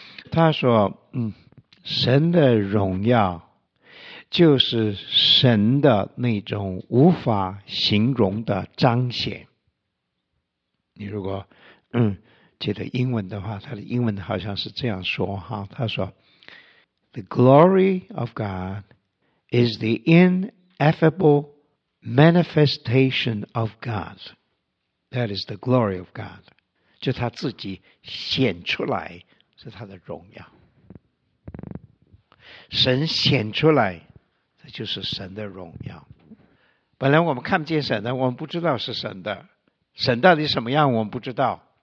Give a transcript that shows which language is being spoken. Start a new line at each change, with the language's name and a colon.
Chinese: 他说：“神的荣耀就是神的那种无法形容的彰显。” 你如果记得英文的话，他的英文好像是这样说哈，他说。
English: The glory of God is the ineffable manifestation of God. That is the glory of God.
Chinese: 就他自己显出来是他的荣耀。神显出来，这就是神的荣耀。本来我们看不见神的，我们不知道是神的。神到底什么样，我们不知道。